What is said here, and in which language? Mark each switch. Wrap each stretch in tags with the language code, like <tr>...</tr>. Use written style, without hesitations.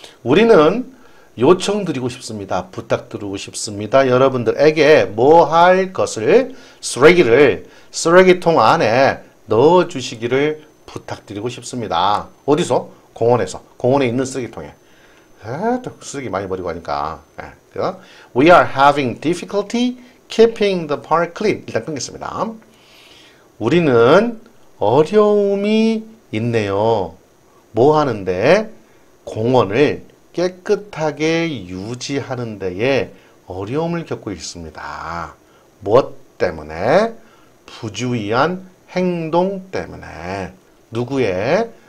<ko>우리는 요청드리고 싶습니다. 부탁드리고 싶습니다. 여러분들에게 뭐할 것을 쓰레기를 쓰레기통 안에 넣어주시기를 부탁드리고 싶습니다. 어디서? 공원에서. 공원에 있는 쓰레기통에. 쓰레기 많이 버리고 하니까. 그래서</ko> <en>We are having difficulty keeping the park clean.</en> <ko>일단 끊겠습니다. 우리는 어려움이 있네요. 뭐 하는데? 공원을 깨끗하게 유지하는 데에 어려움을 겪고 있습니다. 무엇 때문에? 부주의한 행동 때문에. 누구의?</ko>